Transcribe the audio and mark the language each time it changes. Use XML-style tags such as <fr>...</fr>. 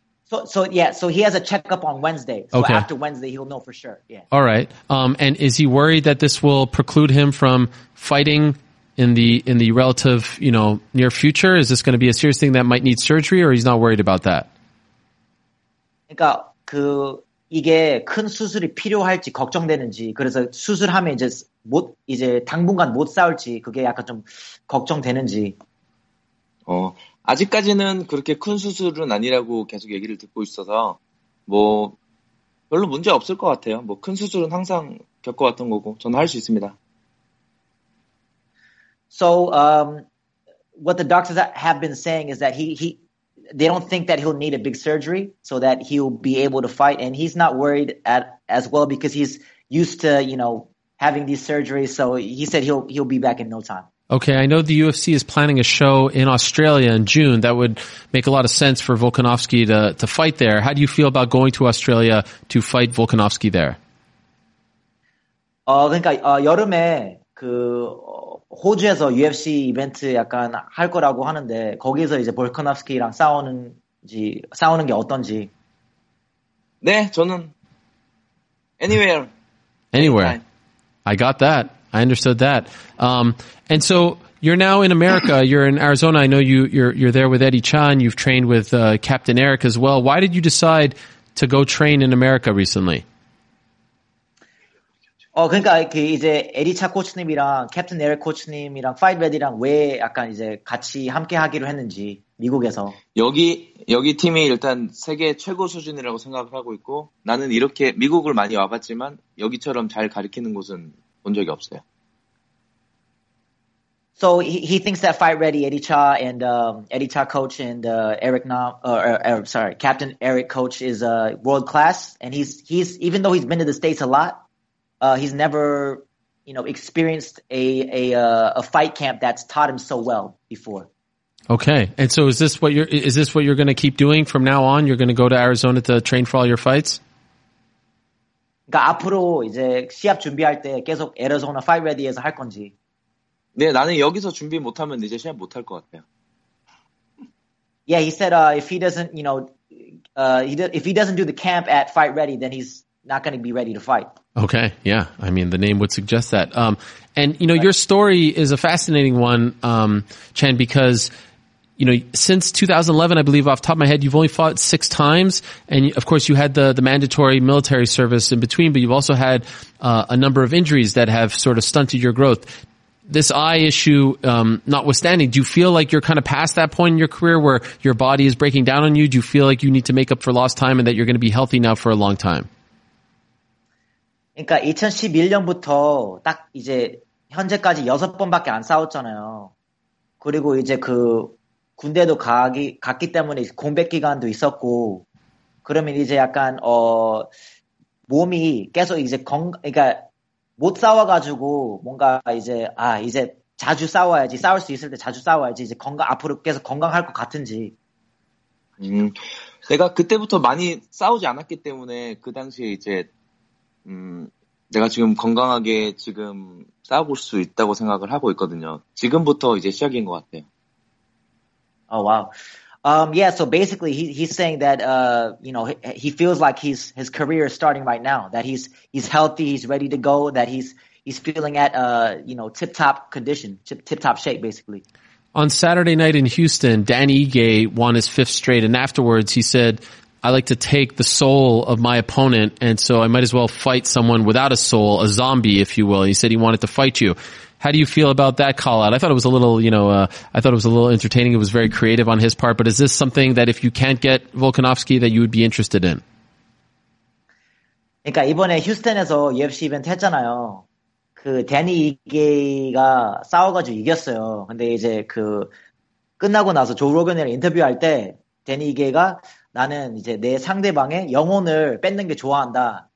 <en>So he has a checkup on Wednesday. So okay. After Wednesday, he'll know for sure. Yeah. All right. And is he worried that this will preclude him from fighting in the relative, you know, near future? Is this going to be a serious thing that might need surgery, or he's not worried about that?</en> <ko>그러니까 그 이게 큰 수술이 필요할지 걱정되는지, 그래서 수술하면 이제 못 이제 당분간 못 싸울지 그게 약간 좀 걱정되는지. 아직까지는 그렇게 큰 수술은 아니라고 계속 얘기를 듣고 있어서 뭐 별로 문제 없을 것 같아요. 뭐 큰 수술은 항상 겪어왔던 거고 저는 할 수 있습니다.</ko> <en>So what the doctors have been saying is that he they don't think that he'll need a big surgery so that he'll be able to fight, and he's not worried at as well because he's used to, you know, having these surgeries. So he said he'll be back in no time. Okay, I know the UFC is planning a show in Australia in June. That would make a lot of sense for Volkanovski to fight there. How do you feel about going to Australia to fight Volkanovski there?</en> <ko>그러니까 여름에 그 호주에서 UFC 이벤트 약간 할 거라고 하는데 거기서 이제 볼카노프스키랑 싸우는 게 어떤지. 네, 저는</ko> <en>anywhere. Anywhere. I got that. I understood that. And so you're now in America. You're in Arizona. I know you're there with Eddie Chan. You've trained with Captain Eric as well. Why did you decide to go train in America recently?</en> <ko>그러니까 그 이제 에디차 코치님이랑 캡틴 에릭 코치님이랑 파이트 레디랑 왜 약간 이제 같이 함께 하기로 했는지 미국에서. 여기 팀이 일단 세계 최고 수준이라고 생각을 하고 있고, 나는 이렇게 미국을 많이 와봤지만 여기처럼 잘 가르치는 곳은 본 적이 없어요.</ko> <en>So he thinks that Fight Ready Eddie Cha and Eddie Cha coach and Captain Eric coach is a world class, and he's even though he's been to the States a lot, he's never, you know, experienced a fight camp that's taught him so well before. Okay, and so is this what you're going to keep doing from now on? You're going to go to Arizona to train for all your fights?</en> <ko>그러니까 앞으로 이제 시합 준비할 때 계속 애리조나 파이트 레디에서 할 건지. 네, 나는 여기서 준비 못하면 이제 시합 못할 것 같아요.</ko> <en>Yeah, he said if he doesn't, you know, if he doesn't do the camp at Fight Ready, then he's not going to be ready to fight. Okay, yeah. I mean, the name would suggest that. And, you know, right. Your story is a fascinating one, Chan, because, you know, since 2011, I believe off the top of my head, you've only fought six times. And of course, you had the mandatory military service in between, but you've also had a number of injuries that have sort of stunted your growth. This eye issue, notwithstanding, do you feel like you're kind of past that point in your career where your body is breaking down on you? Do you feel like you need to make up for lost time and that you're going to be healthy now for a long time?</en> <ko>그러니까 2011년부터 딱 이제 현재까지 6번밖에 안 싸웠잖아요. 그리고 이제 그 군대도 갔기 때문에 공백 기간도 있었고, 그러면 이제 약간 몸이 계속 이제 그러니까 못 싸워가지고 뭔가 이제 이제 자주 싸워야지, 싸울 수 있을 때 자주 싸워야지 이제 건강 앞으로 계속 건강할 것 같은지. 내가 그때부터 많이 싸우지 않았기 때문에 그 당시에 이제 내가 지금 건강하게 지금 싸워볼 수 있다고 생각을 하고 있거든요. 지금부터 이제 시작인 것 같아요.</ko> <en>Oh, wow. Yeah, so basically he's saying that, you know, he feels like his career is starting right now, that he's healthy, he's ready to go, that he's feeling at, you know, tip-top condition, tip-top shape, basically. On Saturday night in Houston, Dan Ige won his fifth straight, and afterwards he said, I like to take the soul of my opponent, and so I might as well fight someone without a soul, a zombie, if you will. He said he wanted to fight you. How do you feel about that call out? I thought it was a little, you know, I thought it was a little entertaining. It was very creative on his part. But is this something that if you can't get Volkanovski, that you would be interested in?</en> <ko>그러니까 이번에 휴스턴에서 UFC 이벤트 했잖아요. 그 데니 이게이가 싸워가지고 이겼어요. 근데 이제 그 끝나고 나서 조 로건이랑 인터뷰할 때 데니 이게이가 나는 이제 내 상대방의 영혼을 뺏는 게 좋아한다.</ko>